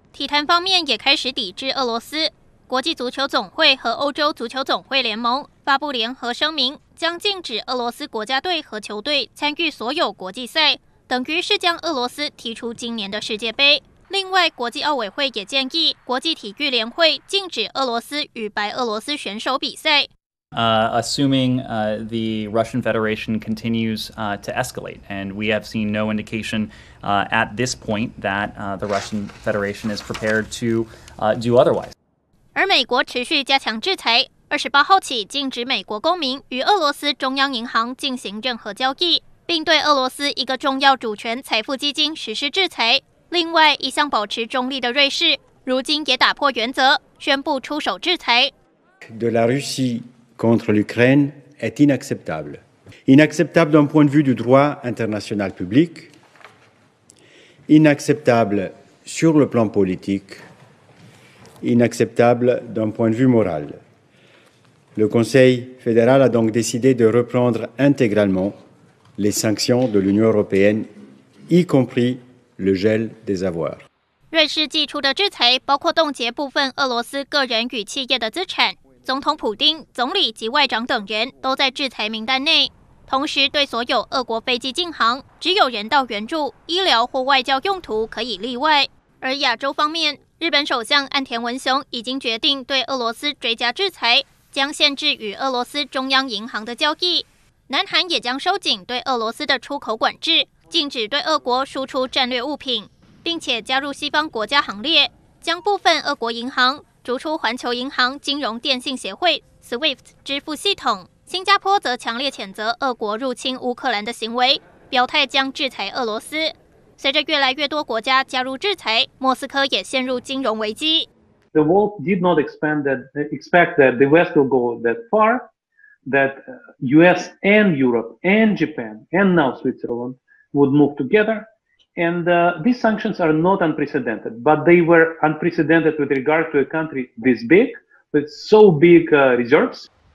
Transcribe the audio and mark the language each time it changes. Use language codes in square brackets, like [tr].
[zh] 体坛方面也开始抵制俄罗斯，国际足球总会和欧洲足球总会联盟发布联合声明，将禁止俄罗斯国家队和球队参与所有国际赛，等于是将俄罗斯踢出今年的世界杯。另外，国际奥委会也建议国际体育联会禁止俄罗斯与白俄罗斯选手比赛。 [en] Assuming the Russian Federation continues to escalate, and we have seen no indication at this point that the Russian Federation is prepared to do otherwise. [zh] 而美国持续加强制裁，28号起禁止美国公民与俄罗斯中央银行进行任何交易，并对俄罗斯一个重要主权财富基金实施制裁。另外，一向保持中立的瑞士，如今也打破原则，宣布出手制裁。 [fr] De la Russie. Contre l'Ukraine est inacceptable. Inacceptable d'un point de vue du droit international public, inacceptable sur le plan politique, inacceptable d'un point de vue moral. Le Conseil fédéral a donc décidé de reprendre intégralement les sanctions de l'Union européenne, y compris le gel des avoirs. [zh] 瑞士寄出的制裁包括冻结部分俄罗斯个人与企业的资产。总统普丁、总理及外长等人都在制裁名单内，同时对所有俄国飞机禁航，只有人道援助、医疗或外交用途可以例外。而亚洲方面，日本首相岸田文雄已经决定对俄罗斯追加制裁，将限制与俄罗斯中央银行的交易。南韩也将收紧对俄罗斯的出口管制，禁止对俄国输出战略物品，并且加入西方国家行列，将部分俄国银行逐出环球银行金融电信协会 SWIFT 支付系统。新加坡则强烈谴责俄国入侵乌克兰的行为，表态将制裁俄罗斯。随着越来越多国家加入制裁，莫斯科也陷入金融危机。 [en] The world did not expect that the West will go that far, that US and Europe and Japan and now Switzerland would move together. And these sanctions are not unprecedented, but they were unprecedented with regard to a country this big, with so big reserves.